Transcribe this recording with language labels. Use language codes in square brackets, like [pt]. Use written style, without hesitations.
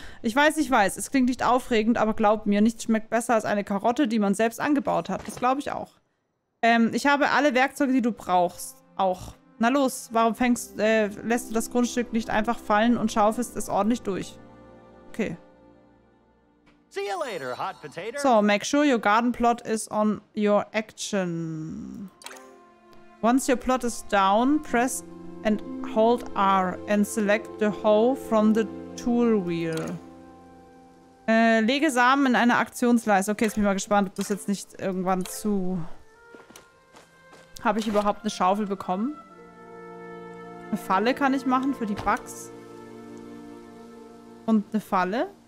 [de] Ich weiß, es klingt nicht aufregend, aber glaub mir, nichts schmeckt besser als eine Karotte, die man selbst angebaut hat. Das glaube ich auch. Ich habe alle Werkzeuge, die du brauchst, auch. Na los, warum lässt du das Grundstück nicht einfach fallen und schaufelst es ordentlich durch? [en] Okay. See you later, hot potato. So, make sure your garden plot is on your action. Once your plot is down, press and hold R and select the hoe from the tool wheel. [de] Lege Samen in eine Aktionsleiste. Okay, jetzt bin ich mal gespannt, ob das jetzt nicht irgendwann zu... Habe ich überhaupt eine Schaufel bekommen? Eine Falle kann ich machen für die Bugs. Und eine Falle.